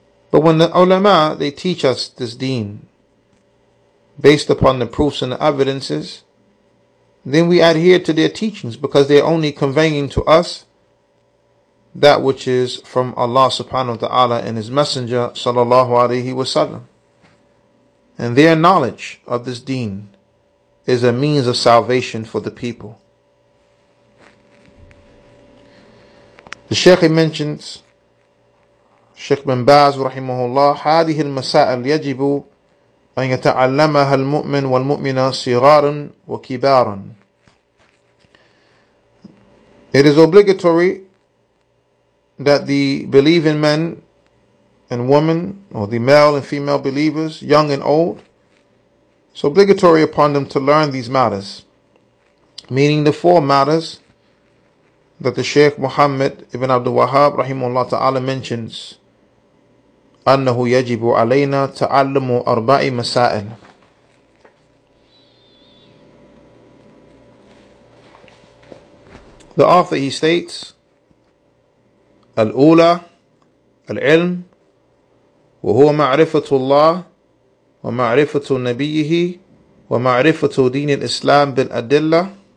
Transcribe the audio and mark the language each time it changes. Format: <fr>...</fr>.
<en>But when the ulama, they teach us this deen based upon the proofs and the evidences, then we adhere to their teachings because they're only conveying to us that which is from Allah subhanahu wa ta'ala and His Messenger sallallahu alaihi wasallam. And their knowledge of this deen is a means of salvation for the people. The Shaykh mentions, Shaykh bin Baz rahimahullah,</en> <ar>هذه المسائل يجب أن يتعلمها المؤمن والمؤمنة صغارا وكبارا.</ar> <en>It is obligatory that the believing men and women, or the male and female believers, young and old, it's obligatory upon them to learn these matters, meaning the four matters that the Shaykh Muhammad ibn Abdul Wahhab rahimahullah ta'ala mentions.</en> <ar>أنه يجب علينا تعلم أربع مسائل.</ar> <en>The author, he states,</en> <ar>الأولى العلم وهو معرفة الله ومعرفة نبيه ومعرفة دين الإسلام بالأدلة.</ar>